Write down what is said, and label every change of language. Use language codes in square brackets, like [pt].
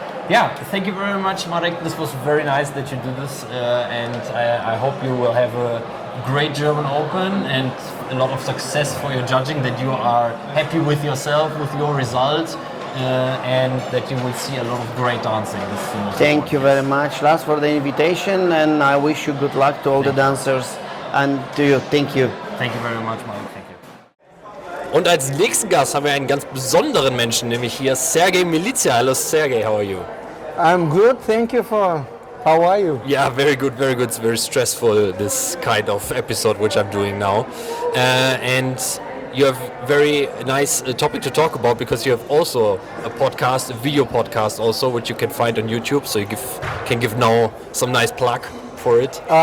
[en] Yeah, thank you very much, Marek. This was very nice that you did this, and I hope you will have a great German Open and a lot of success for your judging, that you are happy with yourself, with your result, and that you will see a lot of great dancing. Thank important. You very much, Lars, for the invitation, and I wish you good luck to all thank the dancers you. And to you. Thank you. Thank you very much, Marek. [de] Und als nächsten Gast haben wir einen ganz besonderen Menschen, nämlich hier Sergei Milizia. Hallo [en] Sergei, how are you? I'm good, thank you for... How are you? Yeah, very good, very good. It's very stressful, this kind of episode which I'm doing now. And you have very nice topic to talk about, because you have also a podcast, a video podcast also, which you can find on YouTube, so you can give now some nice plug for it.